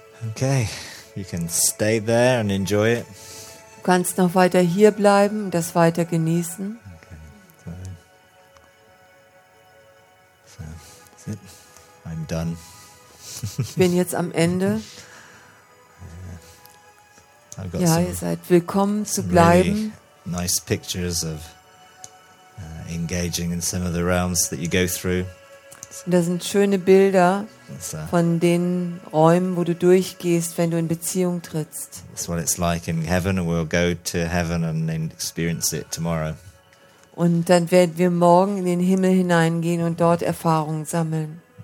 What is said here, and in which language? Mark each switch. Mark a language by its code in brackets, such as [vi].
[en] Okay, you can stay there and enjoy it. [de] Du kannst noch weiter hier bleiben, das weiter genießen. [en] Okay. So, that's it. I'm done. [de] Ich bin jetzt am Ende. [en] I've got [de] ihr seid willkommen zu bleiben. [en] Really nice pictures of engaging in some of the realms that you go through. [de] Da sind schöne Bilder von den Räumen, wo du durchgehst, wenn du in Beziehung trittst. [en] That's what it's like in heaven, and we'll go to heaven and experience it tomorrow. [de] Und dann werden wir morgen in den Himmel hineingehen und dort Erfahrungen sammeln.